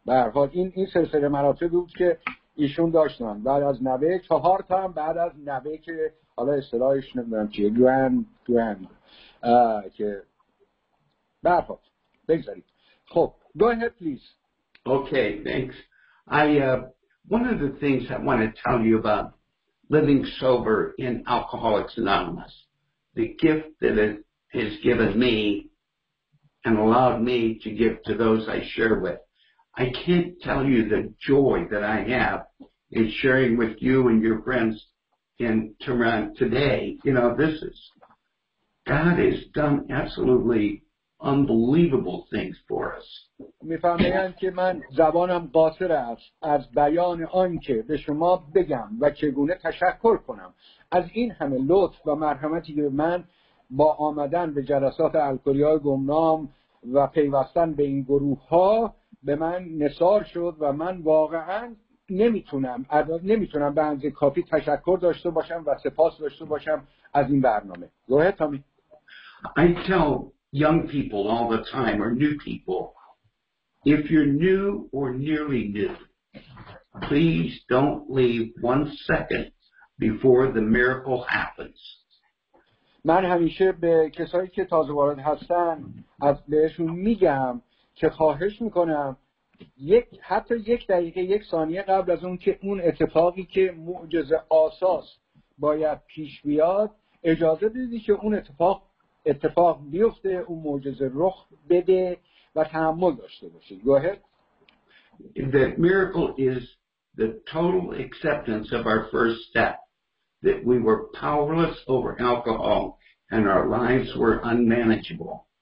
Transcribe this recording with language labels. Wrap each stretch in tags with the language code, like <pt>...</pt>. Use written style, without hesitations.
<fa>به هر حال این سلسله مراتب بود که ایشون داشتن بعد از 90 4 تا هم بعد از 90 که حالا اصطلاحش نمیدونم چیه گرند که بعد بگذارید.</fa> <en>خب go ahead please. Okay, thanks. One of the things I want to tell you about living sober in Alcoholics Anonymous, the gift that it has given me and allowed me to give to those I share with, I can't tell you the joy that I have in sharing with you and your friends in Tehran today. You know, this is, God has done absolutely unbelievable things for us.</en> <fa>می‌فهمم که من زبانم قاصر است از بیان آن که به شما بگم و چگونه تشکر کنم از این همه لطف و مرحمتی که من با آمدن به جلسات الکلی‌های گمنام و پیوستن به این گروه‌ها به من نثار شد و من واقعاً نمیتونم به اندازه کافی تشکر داشته باشم و سپاس داشته باشم از این برنامه.</fa> <en>Go ahead, Tommy. I tell young people all the time, or new people, if you're new or nearly new, please don't leave one second before the miracle happens.</en> <fa>من همیشه به کسایی که تازه وارد هستن از بهشون میگم که خواهش میکنم حتی یک دقیقه یک ثانیه قبل از اون که اون اتفاقی که معجزه آساس باید پیش بیاد اجازه بدی که اون اتفاق بیفته، اون معجزه رخ بده و تحمل داشته باشی.</fa> <en>Go ahead. That miracle is the total acceptance of our first step, that we were powerless over alcohol and our lives were unmanageable.</en>